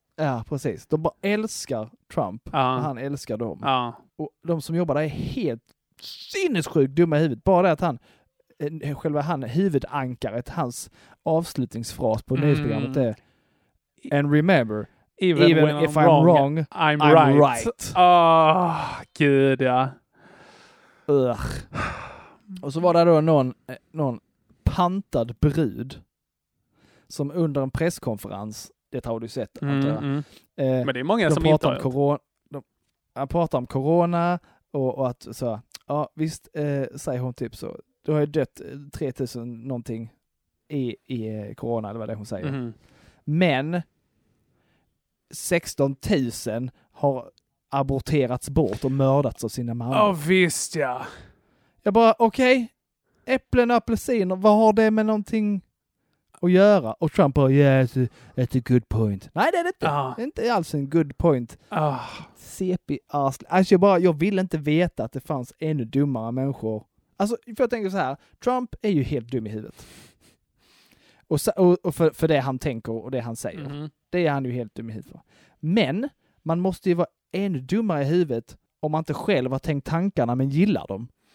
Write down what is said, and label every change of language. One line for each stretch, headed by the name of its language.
Swedish: Ja, precis. De bara älskar Trump. Ja. Och han älskar dem. Ja. Och de som jobbar där är helt sinnessjukt dumma i huvudet. Bara det att han, huvudankaret, hans avslutningsfras på nyhetsprogrammet är
English: And remember, even if I'm wrong, I'm right.
Swedish: Gud, ja. Ugh. Och så var det då någon pantad brud som under en presskonferens, det har du sett. Men det är många som pratar inte har det. Han pratar om corona och att så, ja visst, säger hon typ så, du har ju dött 3000 någonting i corona, eller vad det är hon säger. Mm. Men 16 000 har aborterats bort och mördats av sina mammor. Ja, oh, visst, ja. Jag bara, okej, okay, äpplen och apelsin, vad har det med någonting och göra? Och Trump bara,
English: yes, it's a good point.
Swedish: Nej, det är det inte. Ah. Det är inte alls en good point. Ah. CP arsle. Alltså jag vill inte veta att det fanns ännu dummare människor. Alltså, för jag tänker så här, Trump är ju helt dum i huvudet. Och för det han tänker och det han säger. Mm. Det är han ju helt dum i huvudet. Men man måste ju vara ännu dummare i huvudet om man inte själv har tänkt tankarna men gillar dem.